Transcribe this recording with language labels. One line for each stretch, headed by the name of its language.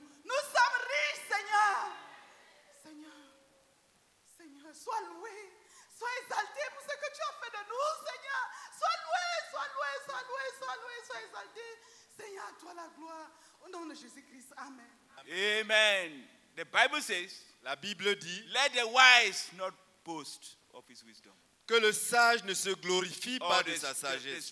French: Nous sommes riches, Seigneur. Seigneur, Seigneur, sois loué, sois exalté pour ce que tu as fait de nous, Seigneur. Sois loué, sois loué, sois loué, sois loué, sois exalté. Seigneur, toi la gloire, au nom de Jésus-Christ, amen.
English: Amen. The Bible says,
French: la Bible dit,
English: let the wise not boast of his wisdom.
French: Que le sage ne se glorifie pas de sa sagesse.